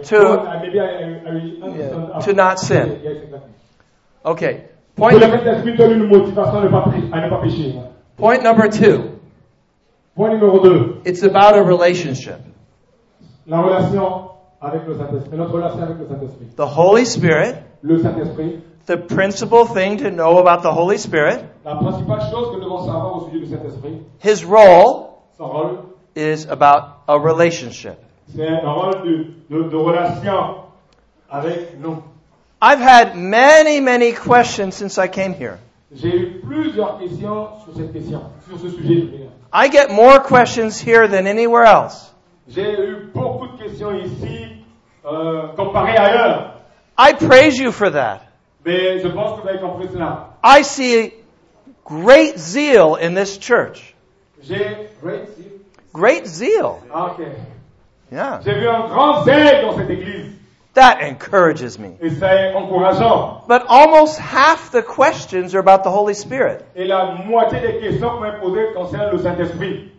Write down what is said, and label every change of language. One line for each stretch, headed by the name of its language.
English: To not sin. Okay. Point number two.
French: Saint-Esprit donne une motivation à ne pas pécher.
English: Point number two.
French: Point numéro deux.
English: It's about a relationship.
French: La relation avec le Saint-Esprit, notre relation avec le Saint-Esprit.
English: The Holy Spirit.
French: Le Saint-Esprit.
English: The principal thing to know about the Holy Spirit.
French: La principale chose que nous devons savoir au sujet du Saint-Esprit.
English: His role.
French: Son rôle.
English: Is about a relationship.
French: C'est un rôle de relation avec nous.
English: I've had many, many questions since I came here.
French: J'ai eu plusieurs questions sur cette question, sur ce sujet.
English: I get more questions here than anywhere else.
French: J'ai eu beaucoup de questions ici comparé ailleurs.
English: I praise you for that.
French: Mais je pense que vous avez compris cela.
English: I see great zeal in this church. J'ai great zeal. Great zeal. Okay. Yeah.
French: J'ai vu un grand zèle dans cette église.
English: That encourages me.
French: Et ça est encourageant.
English: But almost half the questions are about the Holy Spirit.
French: Et la moitié des questions qu'on m'a posées concernent le Saint-Esprit.